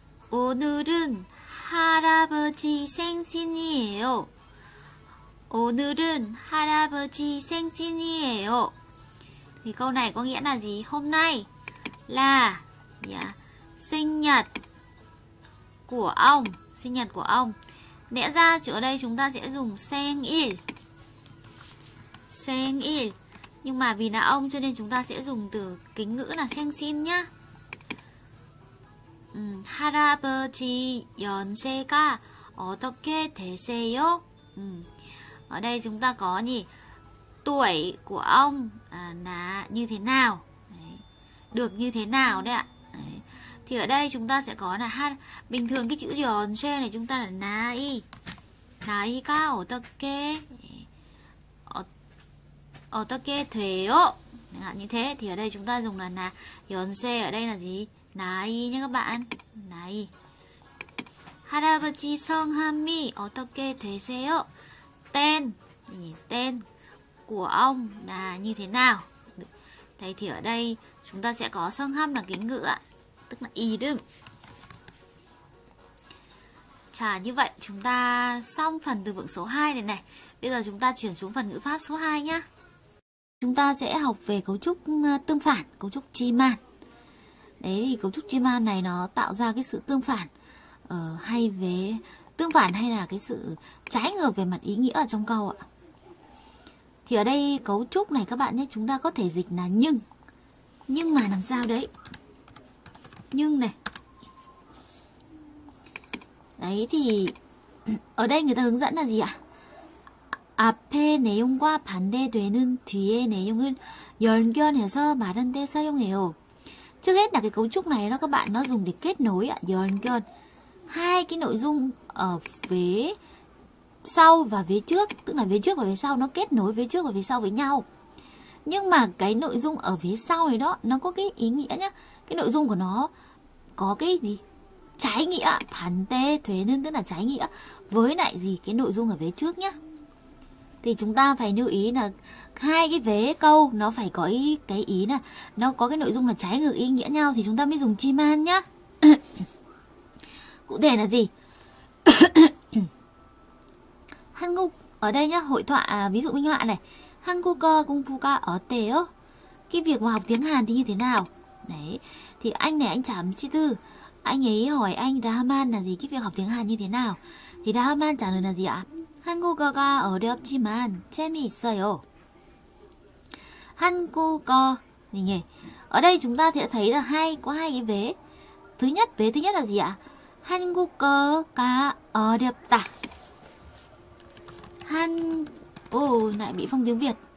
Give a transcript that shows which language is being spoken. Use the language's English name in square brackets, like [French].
[Korean] 오늘은 할아버지 생신이에요. 오늘은 할아버지 생신이에요. [Vietnamese] Thì câu này có nghĩa là gì? Hôm nay là sinh nhật của ông. Sinh nhật của ông. Lẽ ra chữ ở đây chúng ta sẽ dùng 생일. [Korean] 생일. [Vietnamese] Nhưng mà vì là ông cho nên chúng ta sẽ dùng từ kính ngữ là 생신 nhá. [Korean] 할아버지 연세가 어떻게 되세요? [Vietnamese] Ở đây chúng ta có gì? Tuổi của ông là như thế nào? Được như thế nào đấy ạ? Thì ở đây chúng ta sẽ có là bình thường cái chữ 연세 này chúng ta là 나이. [Korean] 나이가 어떻게 어떻게 돼요? [Vietnamese] Như thế thì ở đây chúng ta dùng là 연세. Ở đây là gì? 나이 nhé các bạn. [Korean] 나이. 할아버지 성함이 어떻게 되세요? [Vietnamese] Tên. Tên của ông là như thế nào? Đấy, thì ở đây chúng ta sẽ có 성함 là cái ngữ, tức là 이름. Chà, như vậy chúng ta xong phần từ vựng số 2 này này. Bây giờ chúng ta chuyển xuống phần ngữ pháp số 2 nhé. Chúng ta sẽ học về cấu trúc tương phản, cấu trúc chi man. Đấy thì cấu trúc chi man này nó tạo ra cái sự tương phản hay về tương phản hay là cái sự trái ngược về mặt ý nghĩa ở trong câu ạ. Thì ở đây cấu trúc này các bạn nhé, chúng ta có thể dịch là nhưng. Nhưng mà làm sao đấy? Nhưng này. Đấy thì ở đây người ta hướng dẫn là gì ạ? [Korean] 앞에 내용과 반대되는 뒤에 내용을 연결해서 말은 데 사용해요. [Vietnamese] Trước hết là cái cấu trúc này nó các bạn nó dùng để kết nối ạ, 연결. Hai cái nội dung ở phía sau và phía trước, tức là phía trước và phía sau nó kết nối phía trước và phía sau với nhau. Nhưng mà cái nội dung ở phía sau này đó nó có cái ý nghĩa nhá. Cái nội dung của nó có cái gì? Trái nghĩa, 반대되는 tức là trái nghĩa với lại gì? Cái nội dung ở phía trước nhá. Thì chúng ta phải lưu ý là hai cái vế câu nó phải có ý, cái ý là nó có cái nội dung là trái ngược ý nghĩa nhau thì chúng ta mới dùng chi man nhá. Cụ thể là gì? Hangu ở đây nhá, hội thoại ví dụ minh họa này. [Korean] Hangu ko gungpuga otteyo? [Vietnamese] Cái việc mà học tiếng Hàn thì như thế nào? Đấy. Thì anh này anh chảm chi tư. Anh ấy hỏi anh Rahman là gì, cái việc học tiếng Hàn như thế nào? Thì Rahman trả lời là gì ạ? [Korean] 한국어가 어렵지만 재미있어요. 한국어, 이게 [Vietnamese] ở đây chúng ta sẽ thấy là hai có hai cái vế. Vế thứ nhất là gì ạ? [Korean] 한국어가 어렵다. [Vietnamese] 한, ô, lại bị phong tiếng Việt.